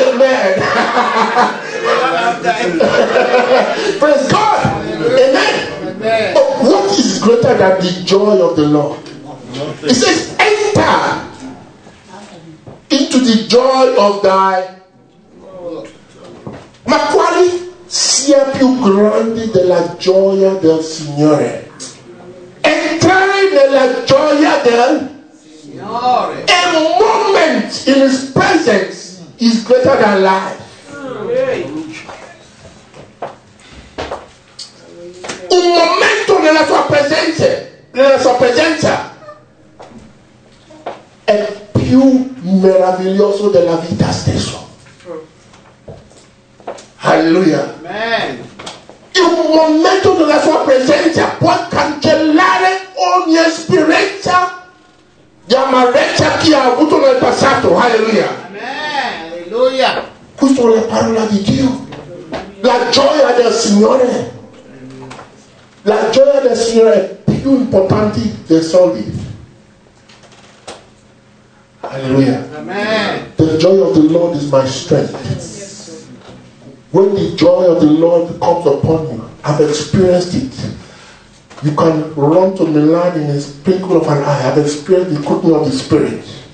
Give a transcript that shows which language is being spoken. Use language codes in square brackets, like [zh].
[en] Amen. Praise God. Amen. Amen. But what is greater than the joy of the Lord? Nothing. It says, enter into the joy of thy Lord. [it] Ma quale sia più grande della gioia del Signore? Entrare nella gioia del Signore. [en] A moment in His presence is greater than life. [it] Un momento nella sua presenza, è più meraviglioso della vita stessa. Alleluia. Un momento nella sua presenza può cancellare ogni esperienza di amarezza che ha avuto nel passato. Alleluia. Alleluia. Questa è la parola di Dio. La gioia del Signore. La gioia del Signore è più importante dei soldi. Alleluia. [en] The joy of the Lord is my strength. When the joy of the Lord comes upon you, I've experienced it. You can run to Milan in a twinkle of an eye. I've experienced the quickening of the Spirit.